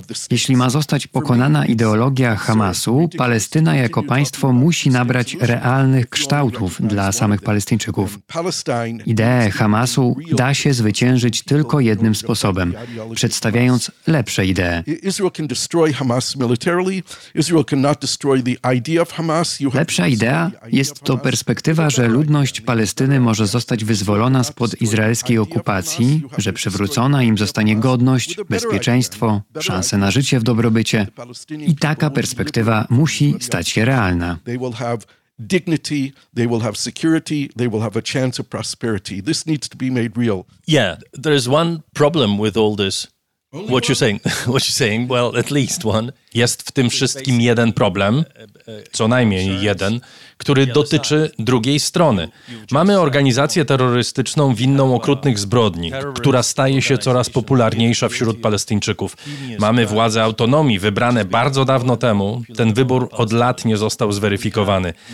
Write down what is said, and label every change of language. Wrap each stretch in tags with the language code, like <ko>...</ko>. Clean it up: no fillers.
<pl>Jeśli ma zostać pokonana ideologia Hamasu, Palestyna jako państwo musi nabrać realnych kształtów dla samych Palestyńczyków. Ideę Hamasu da się zwyciężyć tylko jednym sposobem, przedstawiając lepsze idee.</pl> <en>Israel can destroy Hamas militarily. Israel cannot destroy the idea of Hamas.</en> <pl>Lepsza idea jest to perspektywa, że ludność Palestyny może zostać wyzwolona spod izraelskiej okupacji, że przywrócona im zostanie godność, bezpieczeństwo, szanse na życie w dobrobycie. I taka perspektywa musi stać się realna.</pl> <en>Dignity, they will have security, they will have a chance of prosperity. This needs to be made real. Yeah, there is one problem with all this. What you're saying? Well, at least one.</en> <pl>Jest w tym wszystkim jeden problem, co najmniej jeden, który dotyczy drugiej strony. Mamy organizację terrorystyczną winną okrutnych zbrodni, która staje się coraz popularniejsza wśród Palestyńczyków. Mamy władze autonomii, wybrane bardzo dawno temu. Ten wybór od lat nie został zweryfikowany.</pl>